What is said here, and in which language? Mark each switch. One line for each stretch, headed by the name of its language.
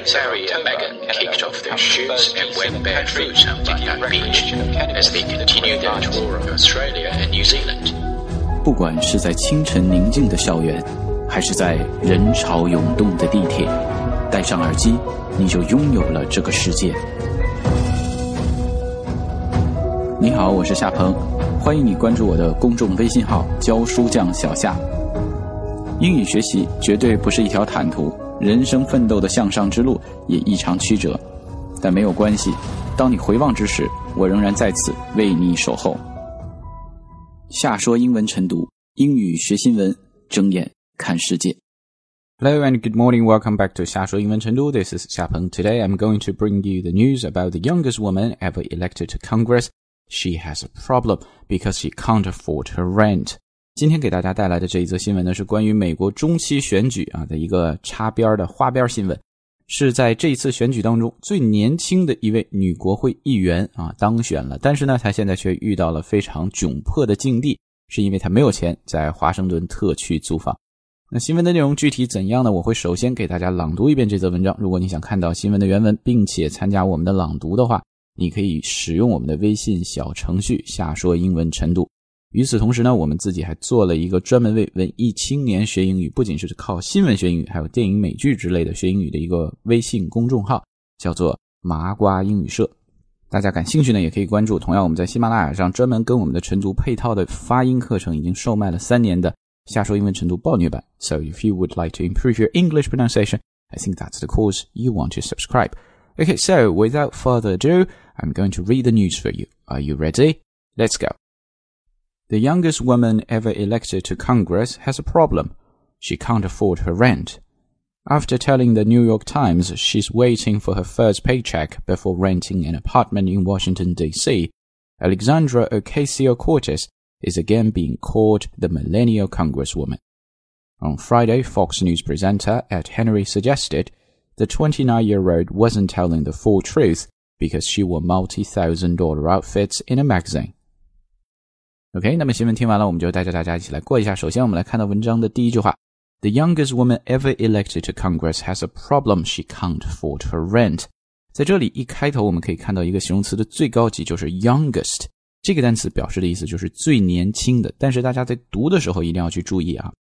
English: area, Megan kicked off their shoes and went barefoot on Bundang Beach as they continued their tour of Australia and New Zealand.
Chinese: 不管是在清晨宁静的校园，还是在人潮涌动的地铁，戴上耳机，你就拥有了这个世界。你好，我是夏鹏，欢迎你关注我的公众微信号“教书匠小夏”。英语学习绝对不是一条坦途，人生奋斗的向上之路也异常曲折，但没有关系，当你回望之时，我仍然在此为你守候。下说英文晨读，英语学新闻，睁眼看世界。
English: Hello and good morning, welcome back to 下说英文晨读, this is 夏鹏。 Today I'm going to bring you the news about the youngest woman ever elected to Congress. She has a problem because she can't afford her rent.
Chinese: 今天给大家带来的这一则新闻呢，是关于美国中期选举啊的一个插边的花边新闻，是在这一次选举当中最年轻的一位女国会议员啊当选了，但是呢她现在却遇到了非常窘迫的境地，是因为她没有钱在华盛顿特区租房。那新闻的内容具体怎样呢，我会首先给大家朗读一遍这则文章，如果你想看到新闻的原文并且参加我们的朗读的话，你可以使用我们的微信小程序下说英文晨读。与此同时呢，我们自己还做了一个专门为文艺青年学英语，不仅是靠新闻学英语，还有电影美剧之类的学英语的一个微信公众号，叫做麻瓜英语社。大家感兴趣呢也可以关注。同样我们在喜马拉雅上专门跟我们的晨读配套的发音课程已经售卖了三年的下说英文晨读暴虐版。
English: So if you would like to improve your English pronunciation, I think that's the course you want to subscribe. Okay, so without further ado, I'm going to read the news for you. Are you ready? Let's go. The youngest woman ever elected to Congress has a problem. She can't afford her rent. After telling the New York Times she's waiting for her first paycheck before renting an apartment in Washington, D.C., Alexandra Ocasio-Cortez is again being called the millennial congresswoman. On Friday, Fox News presenter Ed Henry suggested the 29-year-old wasn't telling the full truth because she wore multi-$1,000 outfits in a magazine.
Chinese: OK, 那么新闻听完了，我们就带着大家一起来过一下。首先我们来看到文章的第一句话。
English: The youngest woman ever elected to Congress has a problem she can't afford her rent.
Chinese: 在这里一开头我们可以看到一个形容词的最高级，就是 youngest。这个单词表示的意思就是最年轻的，但是大家在读的时候一定要去注意啊。